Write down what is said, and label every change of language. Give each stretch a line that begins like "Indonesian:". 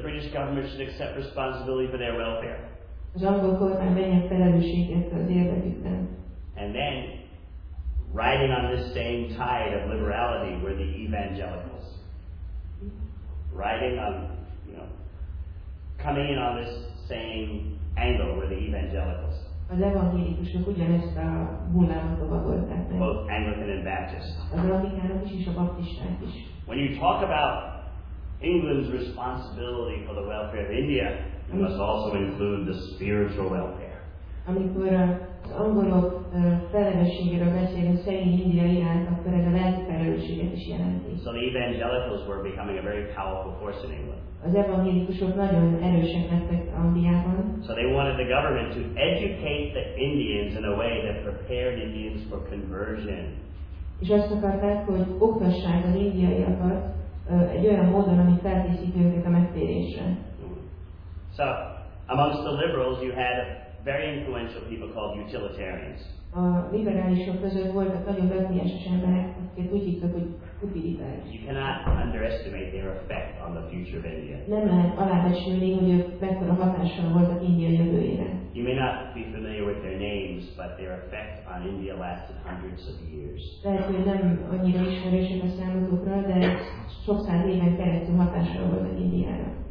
English: British government should accept responsibility for their welfare. And then, riding on this same tide of liberality were the evangelicals. Riding on, coming in on this same angle were the evangelicals.
Hungarian: Az evangélikusok ugyanezt a hullámot adották.
English: Both Anglican and Baptist.
Hungarian: Az anglikánok is, és a baptisták is.
English: When you talk about England's responsibility for the welfare of India, it must also include the spiritual welfare.
Hungarian: Amikor az angolok felelősségéről beszélünk, szerint India iránt, akkor ez a lelki felelősséget is jelenti.
English: So the evangelicals were becoming a very powerful force in England.
Hungarian: Az evangélikusok nagyon erősen lettek Angliában.
English: So they wanted the government to educate the Indians in a way that prepared Indians for conversion.
Hungarian: És azt akarták, hogy oktassák az indiaiakat egy olyan módon, ami felkészíti őket a megtérésre.
English: So, amongst the liberals, you had very influential people called utilitarians.
Hungarian: A liberálisok között voltak nagyon befolyásos emberek, akiket úgy hívtak, hogy utilitárisok.
English: You cannot underestimate their effect on the future of India.
Hungarian: Nem lehet alábecsülni, hogy ők mekkora hatással voltak India jövőjére.
English: You may not be familiar with their names, but their effect on India lasted hundreds of years.
Hungarian: Lehet, hogy nem annyira ismerősek a számotokra, de sok száz éven keresztül hatással voltak Indiára.